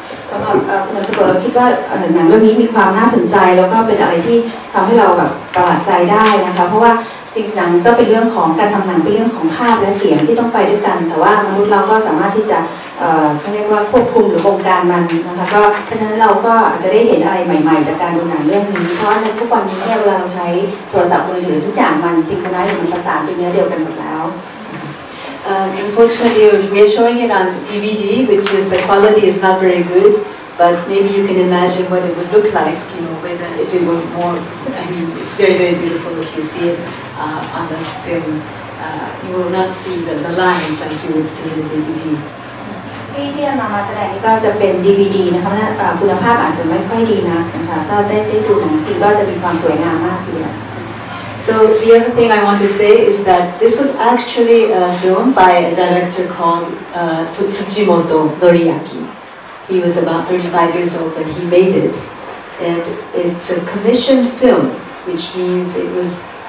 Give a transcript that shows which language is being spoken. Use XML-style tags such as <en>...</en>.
<en>I think that the film has a very interesting and something that makes us feel excited because</en> <th>จริงๆก็เป็นเรื่องของการทำหนังเป็นเรื่องของภาพและเสียงที่ต้องไปด้วยกันแต่ว่ามนุษย์เราก็สามารถที่จะเขาเรียกว่าควบคุมหรือบงการมันนะคะก็เพราะฉะนั้นเราก็อาจจะได้เห็นอะไรใหม่ๆจากการดูหนังเรื่องนี้เพราะในทุกวันนี้เวลาเราใช้โทรศัพท์มือถือทุกอย่างมันซิงโครไนซ์หรือมันประสานเป็นเนื้อเดียวกันหมดแล้ว</th> <en>Unfortunately, we are showing it on DVD, which is the quality is not very good. But maybe you can imagine what it would look like, if it were more. I mean, it's very, very beautiful if you see it. On the film, you will not see the lines like you would see in the DVD.</en> <th>ที่เอามาแสดงนี่ก็จะเป็น DVD นะคะคุณภาพอาจจะไม่ค่อยดีนะคะถ้าได้ดูของจริงก็จะมีความสวยงามมากทีเดียว</th> <en>So the other thing I want to say is that this was actually a film by a director called Tsujimoto Noriaki. He was about 35 years old when he made it, and it's a commissioned film, which means it was.</en>